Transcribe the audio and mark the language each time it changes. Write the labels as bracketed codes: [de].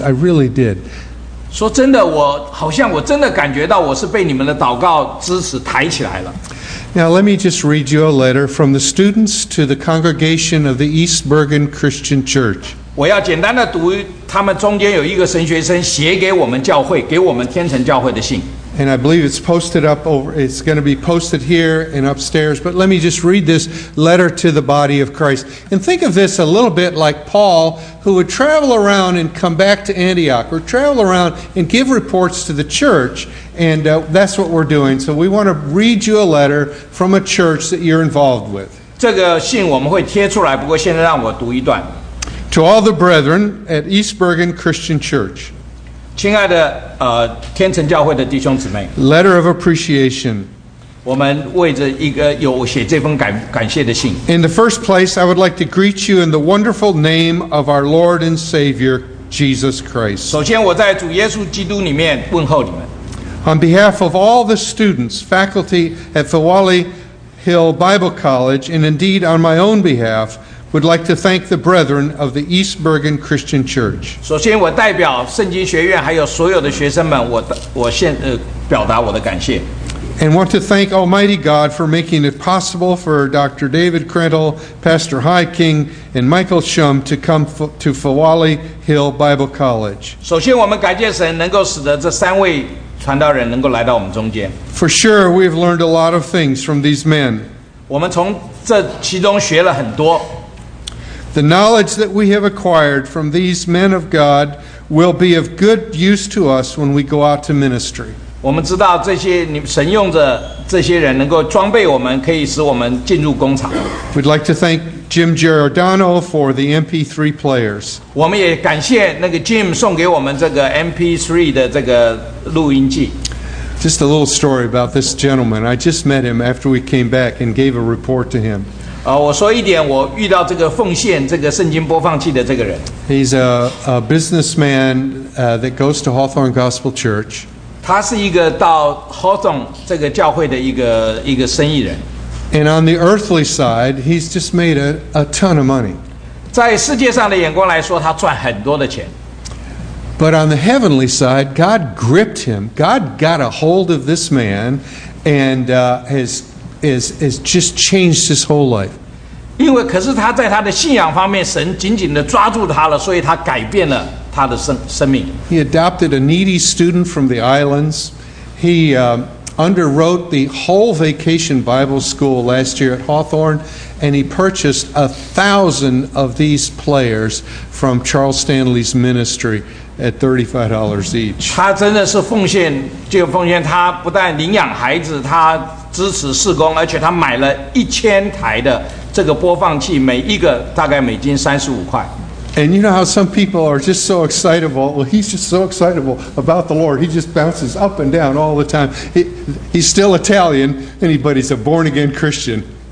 [en] I really did. [zh] 说真的，我好像我真的感觉到我是被你们的祷告支持抬起来了。 [en] Now let me just read you a letter from the students to the congregation of the East Bergen Christian Church. [zh] 我要简单的读他们中间有一个神学生写给我们教会给我们天成教会的信 [en] and I believe it's posted up over it's going to be posted here and upstairs but let me just read this letter to the body of Christ and think of this a little bit like Paul who would travel around and come back to Antioch or travel around and give reports to the church and that's what we're doing so we want to read you a letter from a church that you're involved with [zh] 这个信我们会贴出来不过现在让我读一段 [en] To all the brethren at East Bergen Christian Church. [zh] 亲爱的天成教会的弟兄姊妹 [en] Letter of appreciation. [zh] 我们为着一个有写这封感谢的信 [en] In the first place, I would like to greet you in the wonderful name of our Lord and Savior, Jesus Christ. [zh] 首先我在主耶稣基督里面问候你们 [en] On behalf of all the students, faculty at Fowali Hill Bible College, and indeed on my own behalf,would like to thank the brethren of the East Bergen Christian Church. [zh] 首先我代表圣经学院还有所有的学生们我表达我的感谢。 [en] And want to thank Almighty God for making it possible for Dr. David Krentel, Pastor High King, and Michael Shum to come to Fowali Hill Bible College. [zh] 首先我们感谢神能够使得这三位传道人能够来到我们中间。 [en] For sure, we have learned a lot of things from these men. [zh] 我们从这其中学了很多。 [en] The knowledge that we have acquired from these men of God will be of good use to us when we go out to ministry. [zh] 我们知道这些神用着这些人能够装备我们，可以使我们进入工厂。 [en] We'd like to thank Jim Giordano for the MP3 players. [zh] 我们也感谢那个 Jim 送给我们这个 MP3 的这个录音机。 [en] Just a little story about this gentleman. I just met him after we came back and gave a report to him. [zh] 我说一点，我遇到这个奉献这个圣经播放器的这个人。 [en] He's a businessman that goes to Hawthorne Gospel Church. [zh] 他是一个到 Hawthorne 这个教会的一个生意人。 [en] And on the earthly side, he's just made a ton of money. [zh] 在世界上的眼光来说，他赚很多的钱。 [en] But on the heavenly side, God gripped him. God got a hold of this man and has just changed his whole life. [zh] 因为可是他在他的信仰方面，神紧紧地抓住他了，所以他改变了他的生命。 [en] He adopted a needy student from the islands. He underwrote the whole vacation Bible school last year at Hawthorne, and he purchased 1,000 of these players from Charles Stanley's ministry at $35 each. [zh] 他真的是奉献，这个奉献，他不但领养孩子，他支持事工，而且他买了1,000台的。这个播放器每一个大概美金35块。 [en] And you know how some people are just so excitable. Well, he's just so excitable about the Lord. He just bounces up and down all the time. He's still Italian, but he's a born again Christian.